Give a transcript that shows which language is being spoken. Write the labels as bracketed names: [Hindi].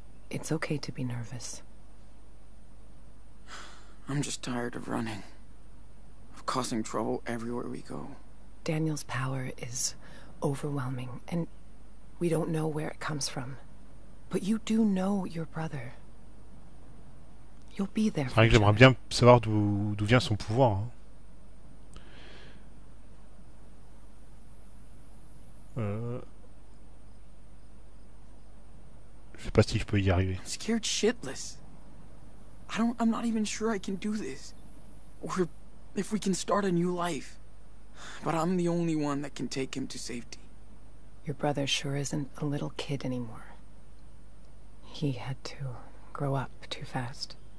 [English] It's okay to be nervous. I'm just tired of running, of causing trouble everywhere we go. Daniel's power is overwhelming, and we don't know where it comes from. But you do know your brother. You'll be there. [French] C'est vrai que j'aimerais bien savoir d'où vient son pouvoir. Hein. Je sais pas si je peux y arriver. [English] Scared shitless. I'm not even sure I can do this. Or if we can start a new life. But I'm the only one that can take him to safety. Your brother sure isn't a little kid anymore. He had to grow up too fast.